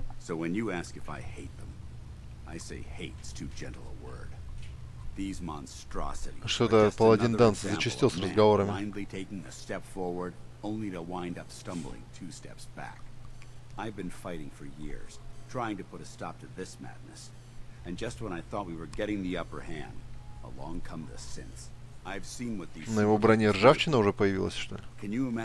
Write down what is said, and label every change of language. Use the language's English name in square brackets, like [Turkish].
[English] So when you ask if I hate them, I say hate's too gentle a word. These monstrosities. [Russian] Что-то паладин Данс зачастил с разговорами. [English] Finally taking a step forward, only to wind up stumbling two steps back. I've been fighting for years, trying to put a stop to this madness. And just when I thought we were getting the upper hand, along come the synths. [Russian] На его броне ржавчина уже появилась, что ли?